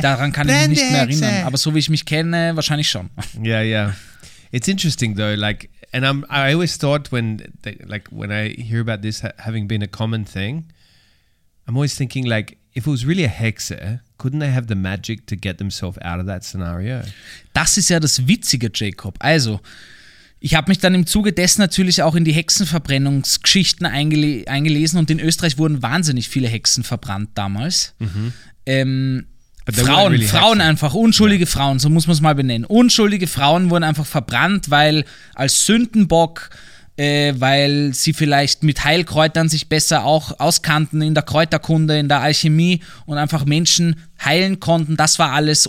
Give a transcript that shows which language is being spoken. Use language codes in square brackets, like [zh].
[de] Daran kann ich mich nicht mehr erinnern, aber so wie ich mich kenne, wahrscheinlich schon. [en] Yeah, yeah. It's interesting though, like, and I always thought when, they, like, when I hear about this having been a common thing, I'm always thinking like, if it was really a Hexe, couldn't they have the magic to get themselves out of that scenario? [de] Das ist ja das Witzige, Jacob. Also, ich habe mich dann im Zuge dessen natürlich auch in die Hexenverbrennungsgeschichten eingelesen und in Österreich wurden wahnsinnig viele Hexen verbrannt damals. Frauen einfach, unschuldige Frauen, so muss man es mal benennen. Unschuldige Frauen wurden einfach verbrannt, weil als Sündenbock, weil sie vielleicht mit Heilkräutern sich besser auch auskannten in der Kräuterkunde, in der Alchemie und einfach Menschen heilen konnten, das war alles.